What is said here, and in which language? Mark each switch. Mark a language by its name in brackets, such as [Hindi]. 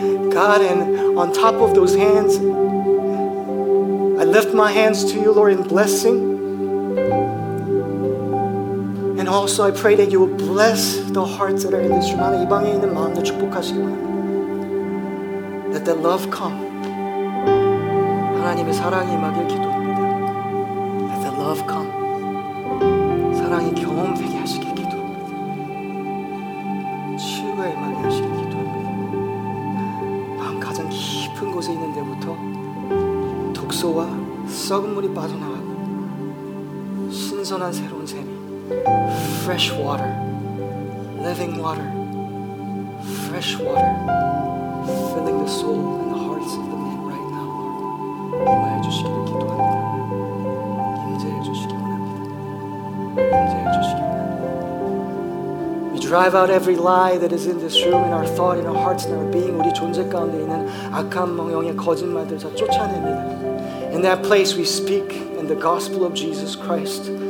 [English] God, and on top of those hands, I lift my hands to you, Lord, in blessing. And also I pray that you will bless the hearts that are in this room. [Korean] 하나님 이 방에 있는 마음들 축복하시기 바랍니다. [English] Let the love come. [Korean] 하나님의 사랑이 임하길 기도합니다. [English] Let the love come. [Korean] 사랑이 경험되게 하시길 기도합니다. 치유가 임하게 하시길 기도합니다. 마음 가장 깊은 곳에 있는 데부터 독소와 썩은 물이 빠져나가고 신선한 새로운 샘이 [English] Fresh water, living water, fresh water, filling the soul and the hearts of the men right now. [Korean] 임재해 주시기를 기도합니다. 임재해 주시기 원합니다. 임재해 주시기 원합니다. [English] We drive out every lie that is in this room, in our thought, in our hearts, in our being. [Korean] 우리 존재 가운데 있는 악한 영의 거짓말들 다 쫓아냅니다. [English] In that place, we speak in the gospel of Jesus Christ.